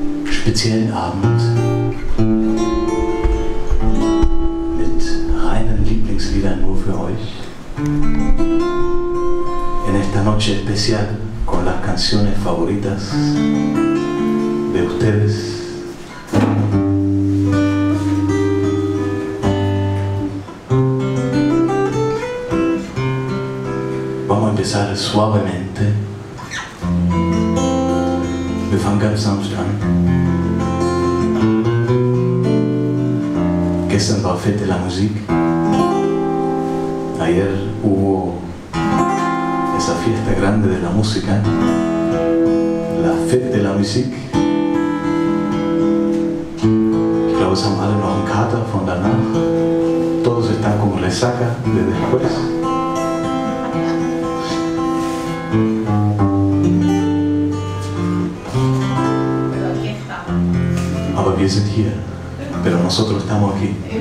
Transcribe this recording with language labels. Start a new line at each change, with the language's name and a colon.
German: speziellen Abend mit reinen Lieblingsliedern nur für euch.
Spanish: En esta noche especial con las canciones favoritas de ustedes. Vamos a empezar suavemente.
German: Wir fangen ganz sanft an. Gestern war Fête de la Musique.
Spanish: Ayer hubo esa fiesta grande de la música, la Fête de la Musique.
German: Ich glaube, es haben alle noch einen Kater von danach.
Spanish: Todos están con resaca de después.
German: Aber wir sind hier.
Spanish: Pero nosotros estamos aquí.